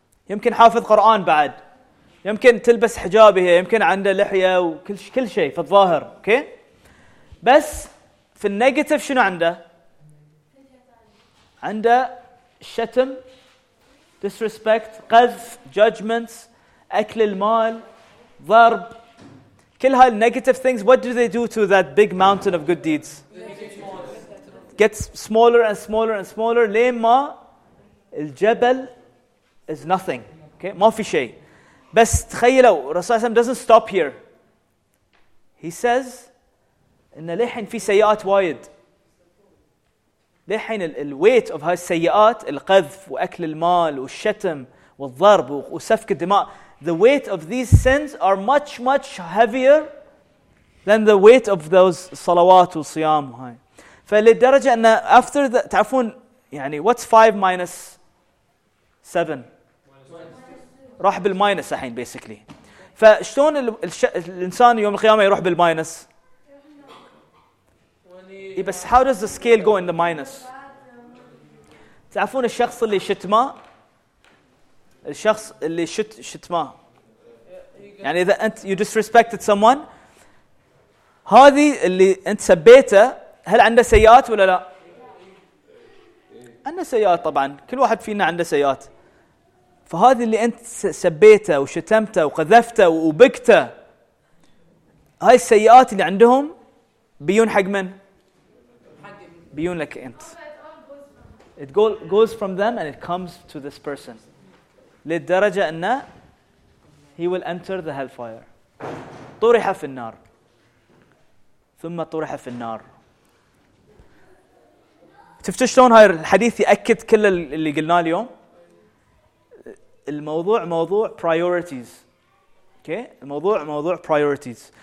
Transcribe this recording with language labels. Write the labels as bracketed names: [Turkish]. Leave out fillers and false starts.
[Arabic] يمكن حافظ قرآن بعد، يمكن تلبس حجابه، يمكن عنده لحية وكل كل شيء في الظاهر. [English] Okay. [Arabic] بس في النيجاتيف شنو عنده؟ عنده شتم، [English] disrespect، [Arabic] قذف، [English] judgments، [Arabic] أكل المال، ضرب، كل هاي [English] negative things. What do they do to that big mountain of good deeds? Gets smaller and smaller and smaller. [Arabic] لين ما الجبل [English] is nothing. Okay, [Arabic] ما في شيء. بس تخيلوا رسول الله [English] doesn't stop here. He says [Arabic] إن لحين في سيئات وايد. لحين ال [English] weight of [Arabic] هاي السيئات، القذف وأكل المال والشتم والضرب وسفك الدماء. [English] The weight of these sins are much, much heavier than the weight of those salawat and siyam. [Arabic] فلدرجة أن [English] after the, [Arabic] تعرفون يعني [English] what's 5 minus 7? [Arabic] راح بالماينس الحين basically. فشلون الإنسان يوم القيامة يروح بالماينس؟ بس [English] how does the scale go in the minus? [Arabic] تعرفون الشخص اللي شتمه؟ الشخص اللي شتمه يعني إذا أنت [English] you disrespected someone، [Arabic] هذه اللي أنت سبيته هل عنده سيئات ولا لا؟ عنده سيئات طبعا، كل واحد فينا عنده سيئات. فهذه اللي أنت سبيته وشتمته وقذفته وبكته، هاي السيئات اللي عندهم بيون حق من؟ بيون لك أنت. [English] It goes from them and it comes to this person. [Arabic] للدرجة أنه [English] he will enter the hellfire. [Arabic] طرح في النار ثم طرح في النار. تفتشلون هاي الحديث يأكد كل اللي قلناه اليوم. الموضوع موضوع priorities. [English] Okay. [Arabic] الموضوع موضوع priorities.